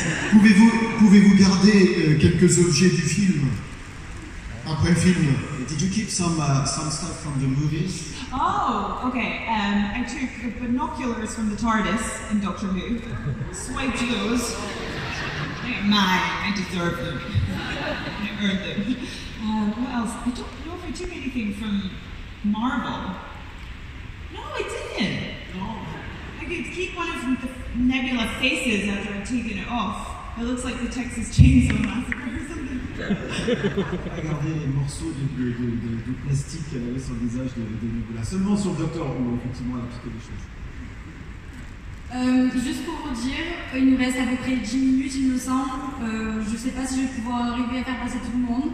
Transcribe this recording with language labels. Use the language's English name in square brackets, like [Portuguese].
[French] pouvez-vous garder quelques objets du film après le film? [English] Did you keep some stuff from the movies? Oh, okay. I took binoculars from the TARDIS in Doctor Who. Swiped those. I deserve them. I earned them. What else? I don't know if I took anything from Marvel. No, I didn't. No. I could keep one of the Nebula faces after I've taken it off. It looks like the Texas Chainsaw Massacre or something. [French] Regardez les morceaux de plastique qu'elle avait sur le visage de Nebula. Seulement sur le docteur où effectivement elle a piqué des choses. Juste pour vous dire, il nous reste à peu près 10 minutes, il me semble. Je ne sais pas si je vais pouvoir arriver à faire passer tout le monde.